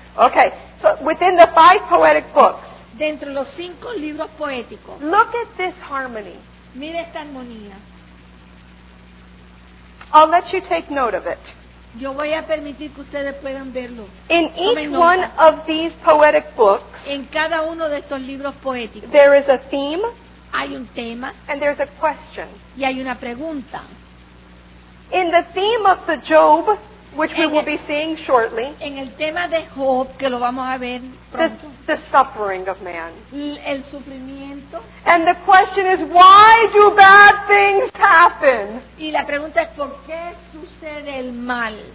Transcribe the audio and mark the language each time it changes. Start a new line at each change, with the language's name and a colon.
English: Okay, so within the five poetic books.
Spanish: Dentro los cinco libros poéticos.
English: Look at this harmony.
Spanish: Mira esta armonía.
English: I'll let you take note of it.
Spanish: Yo voy a permitir que ustedes puedan verlo.
English: In each one of these poetic books,
Spanish: en cada uno de estos libros poéticos,
English: there is a theme,
Spanish: hay un tema,
English: and there's a question.
Spanish: Y hay una pregunta.
English: In the theme of the Job, which we will be seeing shortly,
Spanish: en el tema de Job, que lo vamos a ver pronto,
English: the suffering of man.
Spanish: El sufrimiento.
English: And the question is, why do bad things happen?
Spanish: Y la pregunta es, ¿por qué sucede el mal?